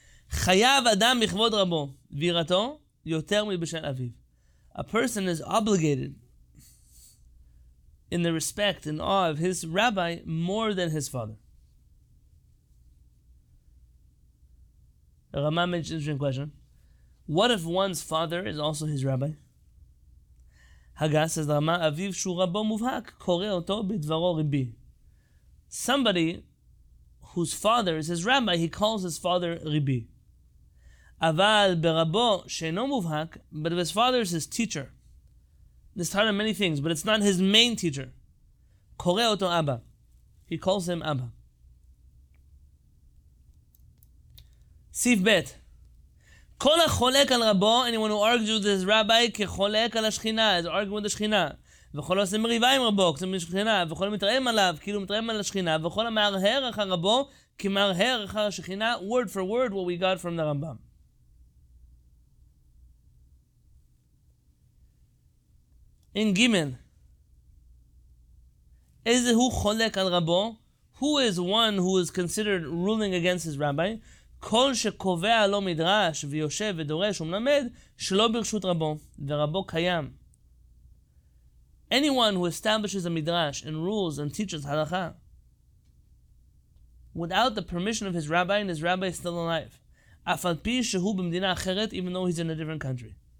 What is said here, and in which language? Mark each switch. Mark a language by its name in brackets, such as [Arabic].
[Hebrew] חייב אדם מכבוד רבו ויראתו יותר מבשל אביו. [English] A person is obligated in the respect and awe of his rabbi more than his father. Rama makes an interesting question. What if one's father is also his rabbi? Haga says Rama, [Hebrew] אביו שהוא רבו מובהק קורא אותו בדברו ריבי. [English] Somebody whose father is his rabbi, he calls his father ריבי. [Hebrew] אבל ברבו שאינו מובהק, [English] but if his father is his teacher, this taught him many things, but it's not his main teacher, [Hebrew] קורא אותו אבא. [English] He calls him אבא. [Hebrew] סיף בית. כל החולק על רבו, [English] anyone who argues with his rabbi, [Hebrew] כחולק על השכינה, [English] is arguing with the [Hebrew] שכינה, וכל עושה מריבה עם רבו, כתוב משכינה, וכל מתרעם עליו, כאילו מתרעם על השכינה, וכל המערהר אחר רבו, כמערהר אחר השכינה, [English] word for word, what we got from the [Hebrew] רמב״ם. [English] In Gimel, [Hebrew] איזה הוא חולק על רבו? [English] Who is one who is considered ruling against his rabbi? [Hebrew] כל שקובע לו מדרש ויושב ודורש ומלמד שלא ברשות רבו, ורבו קיים. [English] Anyone who establishes a midrash and rules and teaches halakha without the permission of his rabbi, and his rabbi is still alive. [Hebrew] Afal pi shehu b'mdina acheret, [English] even though he's in a different country.